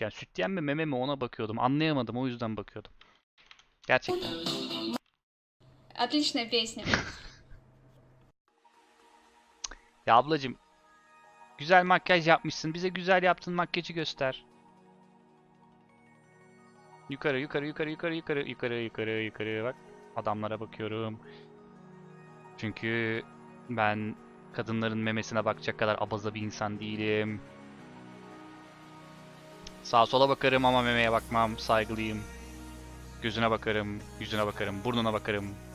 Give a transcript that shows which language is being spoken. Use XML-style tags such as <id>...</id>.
<tr>Yani süt yeni mi meme mi ona bakıyordum. Anlayamadım o yüzden bakıyordum. Gerçekten.</tr> <ru>Отличная песня.</ru> <tr>Ya ablacım, güzel makyaj yapmışsın. Bize güzel yaptığın makyajı göster. Yukarı, yukarı, yukarı, yukarı, yukarı, yukarı, yukarı, yukarı. Bak, adamlara bakıyorum. Çünkü ben kadınların memesine bakacak kadar abaza bir insan değilim. Sağa sola bakarım ama memeye bakmam, saygılıyım. Gözüne bakarım, yüzüne bakarım, burnuna bakarım.</tr>